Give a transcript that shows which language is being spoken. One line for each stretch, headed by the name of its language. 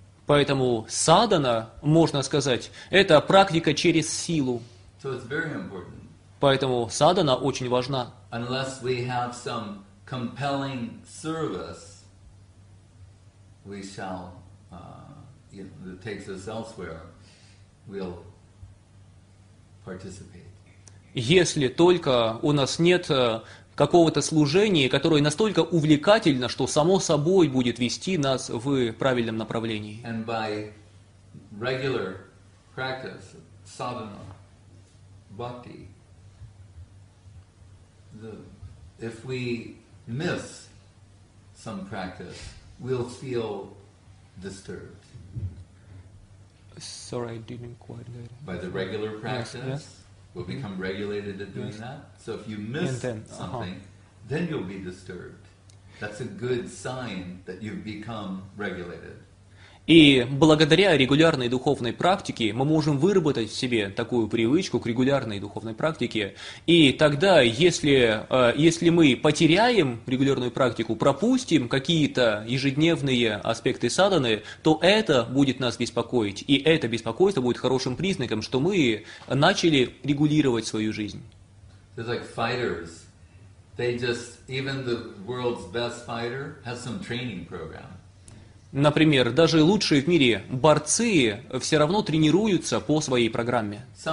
Russian: Поэтому садхана, можно сказать, это практика через силу.
English: So it's very important.
Russian: Поэтому садхана очень важна.
English: Unless we have some compelling service, we shall, that takes us elsewhere, we'll participate.
Russian: Если только у нас нет какого-то служения, которое настолько увлекательно, что само собой будет вести нас в правильном направлении.
English: And by regular practice, sadhana, bhakti, if we miss some practice, we'll feel disturbed. Sorry, I didn't quite get it. By the regular practice, yes, yeah. Will become regulated at doing that. So if you miss something, then you'll be disturbed. That's a good sign that you've become regulated.
Russian: И благодаря регулярной духовной практике мы можем выработать в себе такую привычку к регулярной духовной практике. И тогда, если мы потеряем регулярную практику, пропустим какие-то ежедневные аспекты садханы, то это будет нас беспокоить. И это беспокойство будет хорошим признаком, что мы начали регулировать свою жизнь.
English: They're like fighters. They just, even the world's best fighter has some training program.
Russian: Например, даже лучшие в мире борцы все равно тренируются по своей программе.